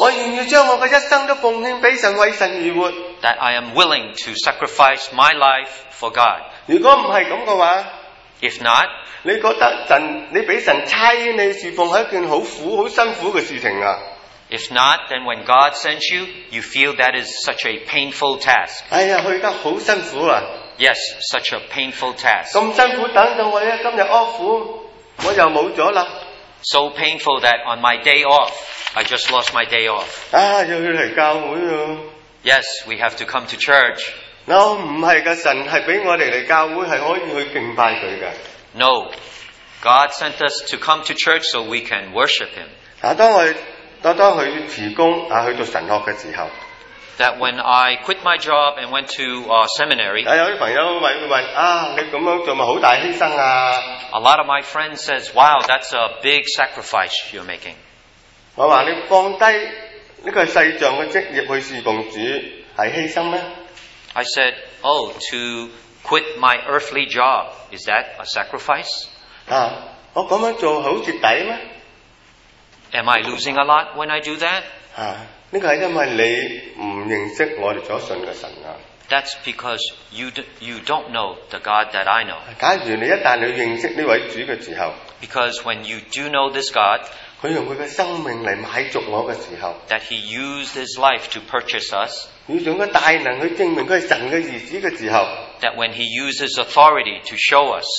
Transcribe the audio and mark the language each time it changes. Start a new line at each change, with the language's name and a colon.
Chinese: 我願意將我嘅一生都奉獻俾神，為神而活。
English: That I am willing to sacrifice my life for God.
Chinese: 如果唔係咁嘅話。
English: If not,
Chinese: 你觉得神，你俾神差遣你侍奉系一件好苦、好辛苦嘅事情啊
English: ？If not, then when God sends you, you feel that is such a painful task.
Chinese: 哎呀，去得好辛苦啊
English: ！Yes, such a painful task.
Chinese: 咁辛苦，等到我今日 off， 我又冇咗啦。
English: So painful that on my day off, I just lost my day off.
Chinese: 啊，又要嚟教会啊
English: ！Yes, we have to come to church.
Chinese: No, 唔係噶，神係俾我哋嚟教會係可以去敬拜佢噶。
English: No, God sent us to come to church so we can worship Him.
Chinese: 當我去辭工啊，去到神學嘅時候。
English: That when I quit my job and went to seminary,
Chinese: 有啲朋友问啊，你咁样做咪好大牺牲啊
English: ？A lot of my friends says, "Wow, that's a big sacrifice you're making."
Chinese: 我话你放低呢个世上嘅职业去侍奉主系牺牲咩
English: ？I said, "Oh, to quit my earthly job is that a sacrifice?"
Chinese: 啊，我咁样做好彻底咩
English: ？Am I losing a lot when I do that?
Chinese: 啊。呢个系因为你唔认识我哋所信嘅神啊。
English: That's because you don't know the God that I know。
Chinese: 假如你一旦你认识呢位主嘅时候
English: ，Because when you do know this God，
Chinese: 佢用佢嘅生命嚟买足我嘅时候
English: ，That He used His life to purchase us，
Chinese: 佢用个大能去证明佢系神嘅儿子嘅时候
English: ，That when He uses authority to show us，